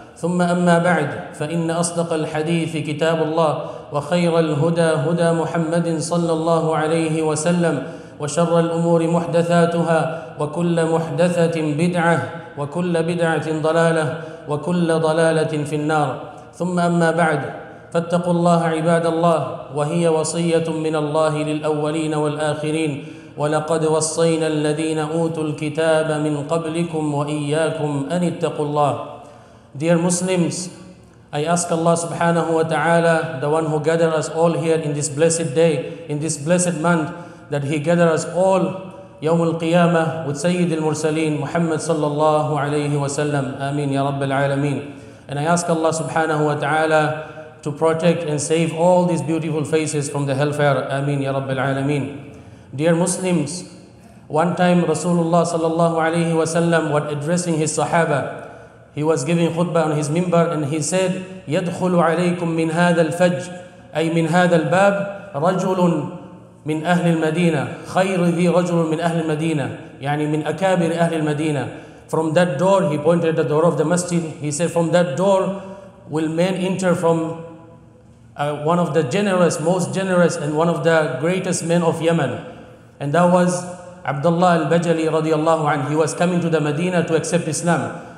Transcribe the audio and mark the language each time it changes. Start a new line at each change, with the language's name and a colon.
Arabic: ثم أما بعد، فإن أصدقَ الحديث كتاب الله، وخيرَ الهُدى هُدى محمدٍ صلى الله عليه وسلم، وشرَّ الأمور مُحدثاتُها، وكل مُحدثةٍ بدعة، وكل بدعةٍ ضلالة، وكل ضلالةٍ في النار. ثم أما بعد، فاتقوا الله عباد الله، وهي وصيةٌ من الله للأولين والآخرين، ولقد وصَّينا الذين أوتوا الكتاب من قبلكم وإياكم أن اتقوا الله.
English: Dear Muslims, I ask Allah subhanahu wa ta'ala, the one who gathered us all here in this blessed day, in this blessed month, that he gather us all
Arabic: يوم القيامة
English: with
Arabic: سيد المرسلين محمد صلى الله عليه وسلم. آمين يا رب العالمين.
English: And I ask Allah subhanahu wa ta'ala to protect and save all these beautiful faces from the hellfire.
Arabic: Ameen ya rabbal alameen.
English: Dear Muslims, one time Rasulullah sallallahu alayhi wa sallam, when addressing his sahaba, he was giving khutbah on his minbar and he said,
Arabic: يَدْخُلُ عَلَيْكُمْ مِنْ هَذَا الْفَجْرِ أي مِنْ هَذَا الْبَابِ رَجُلٌ مِنْ أَهْلِ الْمَدِينَةِ خَيْرِ ذِي رَجُلٌ مِنْ أَهْلِ الْمَدِينَةِ يعني من أكابر أهل المدينة.
English: From that door, he pointed at the door of the masjid, he said, from that door will men enter from one of the generous, most generous, and one of the greatest men of Yemen. And that was Abdullah al-Bajali radiallahu anhu. He was coming to the Medina to accept Islam.